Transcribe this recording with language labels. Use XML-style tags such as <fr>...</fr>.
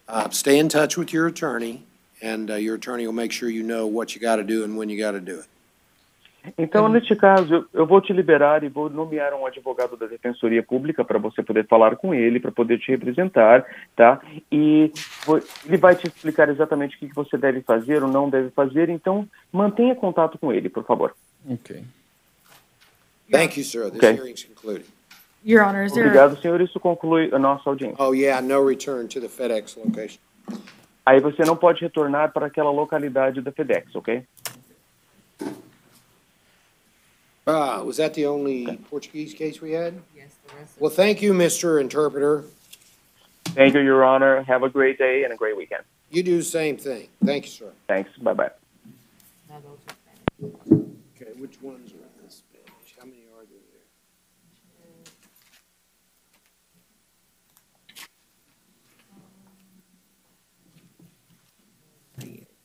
<en>Stay in touch with your attorney, and your attorney will make sure you know what you got to do and when you got to do it.</en> <pt>Então, neste caso, eu vou te liberar e vou nomear um advogado da Defensoria Pública para você poder falar com ele, para poder te representar, tá? E ele vai te explicar exatamente o que você deve fazer ou não deve fazer. Então, mantenha contato com ele, por favor.</pt> <en>Ok. Thank you, sir. This okay. hearing is concluded. Your Honor, is there...</en> <pt>Obrigado, senhor. Isso conclui a nossa audiência.</pt> <en>Oh, yeah, no return to the FedEx location.</en> <pt>Aí você não pode retornar para aquela localidade da FedEx, ok?</pt> <en>Was that the only Portuguese case we had? Yes, the rest of Well, thank you, Mr. Interpreter. Thank you, Your Honor. Have a great day and a great weekend. You do the same thing. Thank you, sir. Thanks. Bye-bye. Okay, which ones are on this page? How many are there?</en>